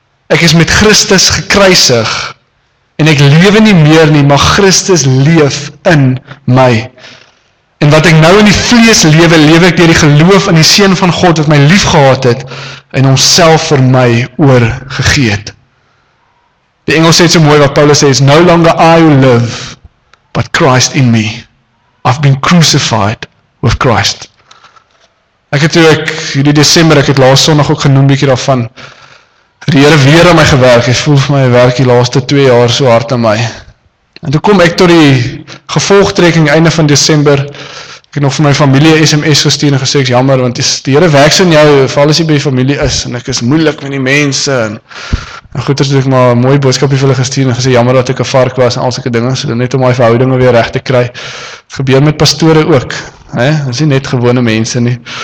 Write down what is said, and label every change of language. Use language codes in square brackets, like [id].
[af] Ek is met Christus gekruisig en ek lewe nie meer nie, maar Christus leef in my. En wat ek nou in die vlees lewe, lewe ek deur die geloof in die Seun van God wat my liefgehad het en homself vir my oorgegee het. Die Engels sê so mooi wat Paulus sê, [en] is no longer I who live, but Christ in me. I've been crucified with Christ. [af] Ek het laas Sondag ook genoem bietjie daarvan. Die Heere weer aan my gewerk, hy voel vir my werk die laaste 2 jaar so hard aan my. En toe kom ek tot die gevolgtrekking einde van December, ek het nog vir my familie SMS gestuur en gesê, ek is jammer, want die Heere werk so in jou, val as jy by die familie is, en ek is moeilik met die mense, en goed, het ek maar een mooie boodskapie vir hulle gestuur en gesê, jammer dat ek 'n vark was en al sulke dinge, so net om my verhoudinge weer reg te kry. Het gebeur met pastore ook, he, dit is nie net gewone mense nie.